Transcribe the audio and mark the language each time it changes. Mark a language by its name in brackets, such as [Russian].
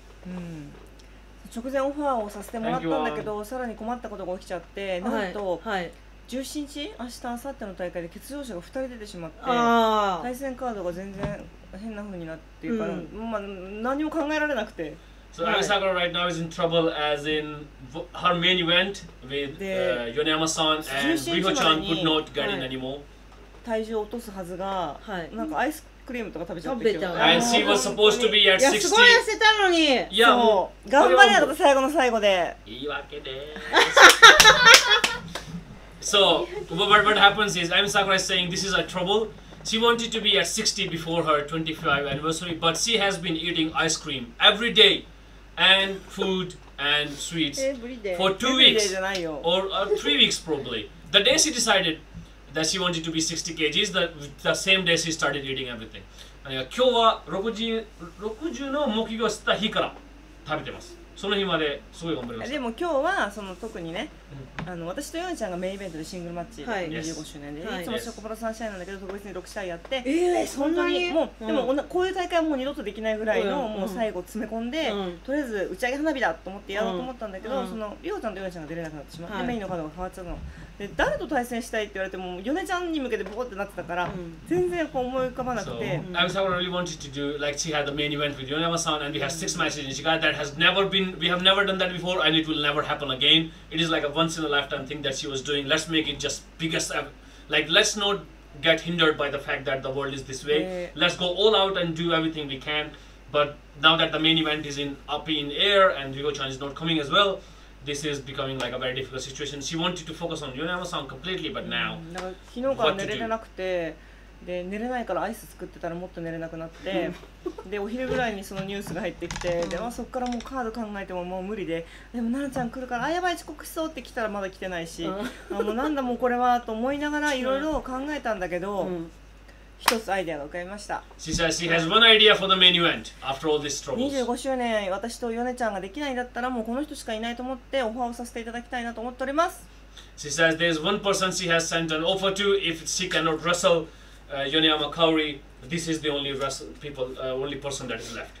[Japanese] うん、直前オファーをさせてもらったんだけど、さらに困ったことが起きちゃって、なんと、はいはい、 17日明日明後日の大会で欠場者が2人出てしまって、あ対戦カードが全然変な風になっていうか、うん、まあ、何も考えられなくて。 [English] So Asaka、はい、right now is in trouble as in her main event with、Yonemasan and Riho-chan could not get in anymore. [Japanese] 体重を落とすはずが、はい、なんかアイスクリームとか食べちゃって、今日。 [English] And she was supposed to be at 60. [Japanese] いや、すごい痩せたのに。いや、もう頑張れよ、最後の最後で。言い訳でーす。 [English] So, what happens is, Asaka is saying this is a trouble. She wanted to be at 60 before her 25th anniversary, but she has been eating ice cream every day. And food and sweets for two weeks or three weeks probably. The day she decided that she wanted to be 60 kgs, the same day she started eating everything. And yeah, [Japanese] 今日は60の目標を知った日から食べてます。その日まですごい頑張りました。でも今日はその特にね、あの私とヨネちゃんがメインイベントでシングルマッチ、はい、 25周年で、はい、いつもショコプラ3試合なんだけど、特別に6試合やって、そんなにもう、うん、でもこういう大会はもう二度とできないぐらいの、うん、もう最後詰め込んで、うん、とりあえず打ち上げ花火だと思ってやろうと思ったんだけど、うん、そのリホちゃんとヨネちゃんが出れなくなってしまって、はい、メインのカードが変わっちゃうので、誰と対戦したいって言われてもヨネちゃんに向けてボコってなってたから、うん、全然こう思い浮かばなくて。 [English] So, Asaka really wanted to do like she had the main event with Yonemasan and we have six matches in Shiga that has never been we have never done that before and it will never happen again. It is like aonce in a lifetime thing that she was doing. Let's make it just biggest ever. Like, let's not get hindered by the fact that the world is this way. Let's go all out and do everything we can. But now that the main event is up in air and Riho-chan is not coming as well, this is becoming like a very difficult situation. She wanted to focus on Yonemasan completely, but now, what to do? [Japanese] で寝れないからアイス作ってたらもっと寝れなくなってでお昼ぐらいにそのニュースが入ってきて、でまあそこからもうカード考えてももう無理で、でも奈々ちゃん来るからあやばい遅刻しそうって来たらまだ来てないし、あのなんだもうこれはと思いながらいろいろ考えたんだけど、一つアイデアが浮かびました。 [English] She says she has one idea for the main event after all these troubles. [Japanese] 25周年私とヨネちゃんができないんだったらもうこの人しかいないと思ってオファーをさせていただきたいなと思っております。 [English] She says there's one person she has sent an offer to if she cannot wrestleYoneyama Kaori, this is the only people, only person that is left.